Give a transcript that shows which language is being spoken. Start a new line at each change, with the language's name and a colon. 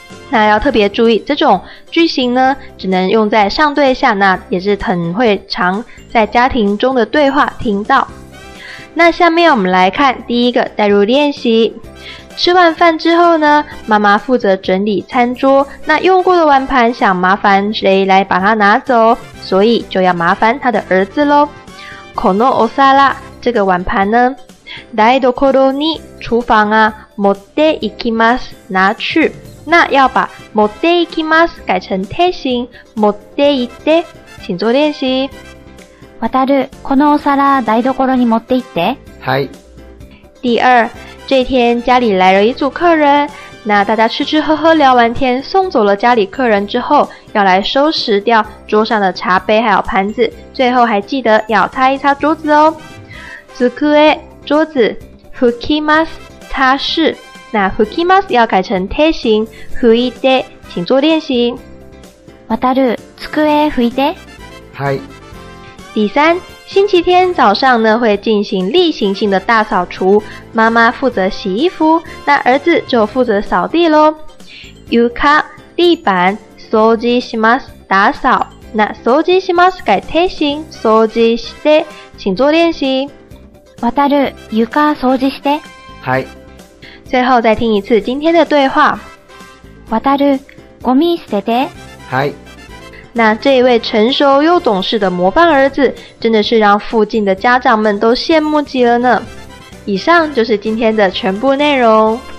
Chinese: 那要特别注意，这种句型呢，只能用在上对下，那也是很会常在家庭中的对话听到。那下面我们来看第一个代入练习。吃完饭之后呢，妈妈负责整理餐桌，那用过的碗盘想麻烦谁来把它拿走，所以就要麻烦他的儿子咯。
Japanese: このお皿、
Chinese: 这个碗盘呢，
Japanese: 台所に、
Chinese: 厨房啊、
Japanese: 持って行きます、
Chinese: 拿去。那要把持って行きます改成て型，持って行って，请做练习。
Japanese: わたる、このお皿台所に持って行って。はい。
Chinese: 第二，这天家里来了一组客人，那大家吃吃喝喝聊完天，送走了家里客人之后，要来收拾掉桌上的茶杯还有盘子，最后还记得要擦一擦桌子哦。
Japanese: 机え，
Chinese: 桌子，
Japanese: 拭きます，
Chinese: 擦拭。那拭きます要改成て型，拭いて，请做练习。
Japanese: わたる、机拭いて。はい。
Chinese: 第三，星期天早上呢会进行例行性的大扫除，妈妈负责洗衣服，那儿子就负责扫地咯。床、地板、
Japanese: 掃除します、
Chinese: 打扫。那掃除します改て型、掃除して，请做练习。
Japanese: わたる、床掃除して。はい。
Chinese: 最后再听一次今天的对话。
Japanese: わたる、ゴミ捨てて。はい。
Chinese: 那这一位成熟又懂事的模范儿子，真的是让附近的家长们都羡慕极了呢。以上就是今天的全部内容。